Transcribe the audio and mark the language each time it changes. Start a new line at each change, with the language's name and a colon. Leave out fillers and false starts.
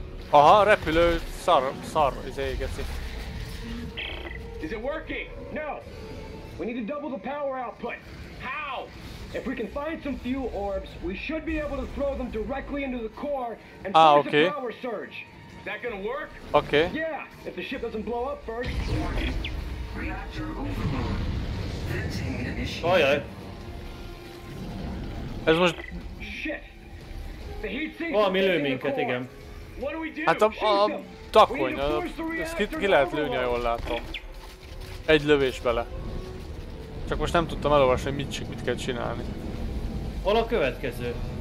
Hungarian: Aha, a repülő szar, izé égeci.
English: Is it working? No. We need to double the power output. How? If we can find some fuel orbs, we should be able to throw them directly into the core and force okay. A power surge. Is that gonna work? Okay. Yeah, if the ship doesn't blow up first. Reactor overload. Venting initiated.
Hungarian: Ez most...
English: Shit. The heat sinks into the core.
Hungarian: Minket, igen. Hát a takony, ezt ki lehet lőni, jól látom. Egy lövés bele. Csak most nem tudtam elolvasni, hogy mit kell csinálni. Hol a következő?